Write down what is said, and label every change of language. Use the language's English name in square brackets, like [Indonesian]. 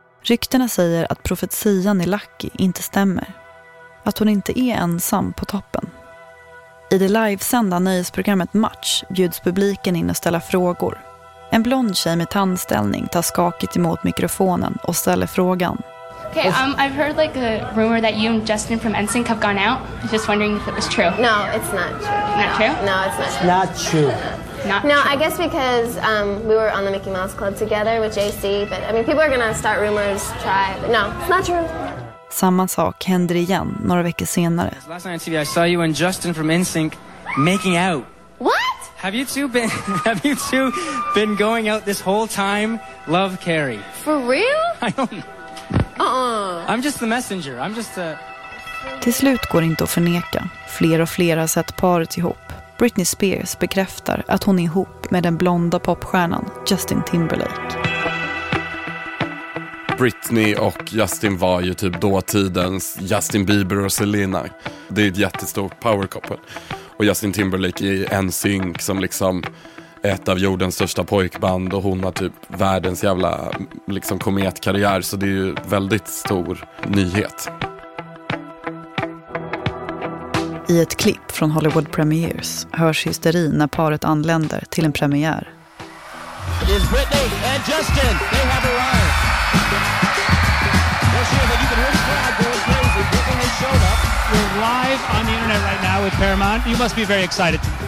[Swedish] Ryktena säger att profetian i Lucky inte stämmer. Att hon inte är ensam på toppen. I det livesända nöjesprogrammet Match bjuds publiken in och ställa frågor. En blond tjej med tandställning tar skakigt emot mikrofonen och ställer frågan. [English] Okay, I've heard like a rumor that you and Justin from NSYNC have gone out. I'm just wondering if it was true. No, it's not true. Not true? No, it's not true. It's not true. No, I guess because we were on the Mickey Mouse Club together with JC. But I mean, people are gonna start rumors, try. But no, it's not true. [Swedish] Samma sak händer igen några veckor senare. [English] Last night on TV, I saw you and Justin from NSYNC making out. What? Have you two been going out this whole time? Love, Carrie. For real? I don't. I'm just the messenger. I'm just a. [Swedish] Till slut går inte att förneka. Fler och fler har sett paret ihop. Britney Spears bekräftar att hon är ihop med den blonda popstjärnan Justin Timberlake. Britney och Justin var ju typ dåtidens Justin Bieber och Selena. Det är ett jättestort power couple. Och Justin Timberlake är NSYNC som liksom ett av jordens största pojkband. Och hon har typ världens jävla liksom kometkarriär. Så det är ju väldigt stor nyhet. I ett klipp från Hollywood Premieres hörs hysteri när paret anländer till en premiär. [English] It's Britney and Justin. They have arrived. They're sure that you can hear the crowd going crazy. Britney has showed up. We're live on the internet right now with Paramount. You must be very excited.